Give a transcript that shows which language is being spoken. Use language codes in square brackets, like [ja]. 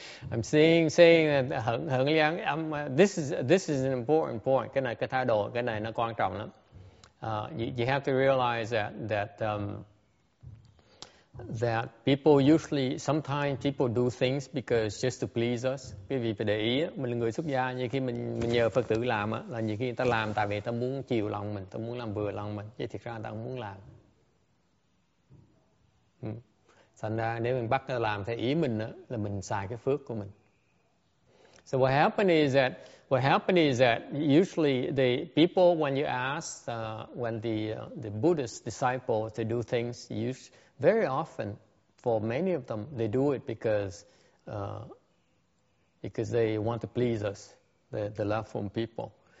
[en] I'm saying Heng Liang, this is an important point. [vi] Cái này cái thái độ, cái này nó quan trọng lắm. [en] You have to realize that people usually, sometimes people do things because just to please us. [vi] Quý vị phải để ý, mình là người xuất gia, như khi mình nhờ Phật tử làm á, là như khi ta làm tại vì ta muốn chiều lòng mình, ta muốn làm vừa lòng mình, chứ thiệt ra ta không muốn làm. Thành ra nếu mình bắt ta làm theo ý mình á, là mình xài cái phước của mình. [en] So what happened is that usually the people, when you ask, when the Buddhist disciple to do things, very often, for many of them, they do it because they want to please us, the left-home people.